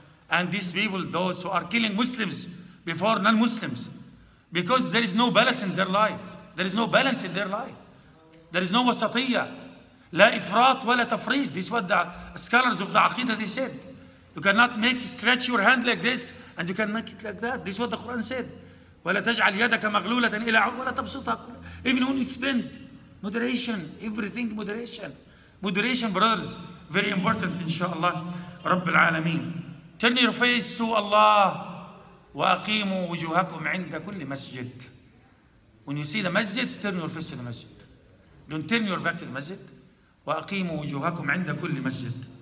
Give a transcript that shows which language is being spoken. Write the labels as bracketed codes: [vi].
[en] And these people, those who are killing Muslims before non-Muslims. Because there is no balance in their life. There is no balance in their life. There is no وسطية. [ar] لا إفراط ولا تفريط. [en] This is what the scholars of the Aqidah they said. You cannot make stretch your hand like this and you can make it like that. This is what the Quran said. [ar] ولا تجعل يدك مغلولة إلى عنقك ولا تبسطها. [en] Even when you spend moderation, everything moderation. Moderation, brothers, very important, inshallah. رب العالمين. Turn your face to Allah. [ar] وأقيموا وجوهكم عند كل مسجد. [en] When you see the masjid, turn your face to the masjid. Don't turn your back to the masjid. [ar] وأقيموا وجوهكم عند كل مسجد.